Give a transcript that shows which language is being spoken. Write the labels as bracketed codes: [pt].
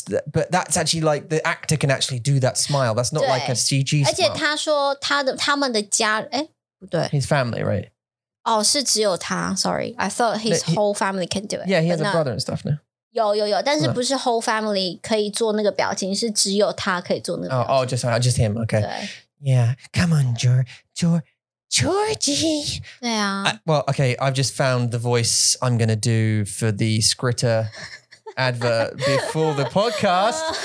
[en] But that's actually like the actor can actually do that smile. That's not like a CG smile. [zh] 而且他说他的他们的家, 诶, [en] his family, right? Oh, [zh] 是只有他, [en] sorry. I thought his whole family can do it. Yeah, he has a brother and stuff now. [zh] 有有有, 但是不是 [en] whole family [zh] 可以做那个表情, 是只有他可以做那个表情。 [en] Oh, just him, okay. [zh] 对。 [en] Yeah, come on, George. Georgie! Yeah. Well, okay, I've just found the voice I'm going to do for the Skritter advert before the podcast.